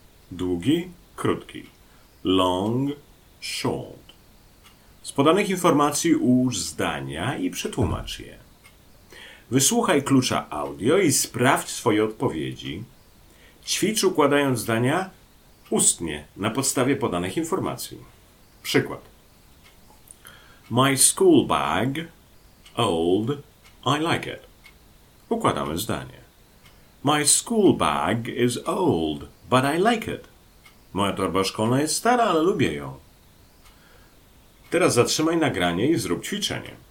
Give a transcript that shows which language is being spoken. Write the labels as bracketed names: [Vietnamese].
[Polish] Długi, krótki. [English] Long, short. [Polish] Z podanych informacji ułóż zdania i przetłumacz je. Wysłuchaj klucza audio i sprawdź swoje odpowiedzi. Ćwicz układając zdania ustnie na podstawie podanych informacji. Przykład. [English] My school bag, old, I like it. [Polish] Układamy zdanie. [English] My school bag is old, but I like it. [Polish] Moja torba szkolna jest stara, ale lubię ją. Teraz zatrzymaj nagranie i zrób ćwiczenie.